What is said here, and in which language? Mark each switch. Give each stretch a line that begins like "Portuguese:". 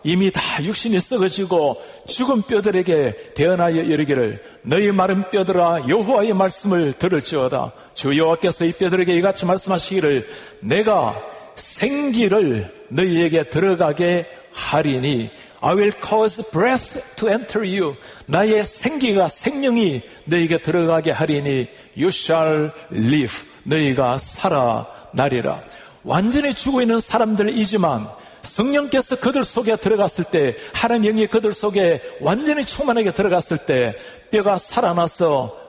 Korean: 이미 다 육신이 썩어지고 죽은 뼈들에게 대언하여 이르기를, 너희 마른 뼈들아 여호와의 말씀을 들을지어다. 주 여호와께서 이 뼈들에게 이같이 말씀하시기를, 내가 생기를 너희에게 들어가게 하리니.
English: I will cause breath to enter you.
Korean: 나의 생기가, 생명이 너희에게 들어가게 하리니.
English: You shall live.
Korean: 너희가 살아나리라. 완전히 죽어 있는 사람들이지만 성령께서 그들 속에 들어갔을 때, 하나님의 영이 그들 속에 완전히 충만하게 들어갔을 때 뼈가 살아나서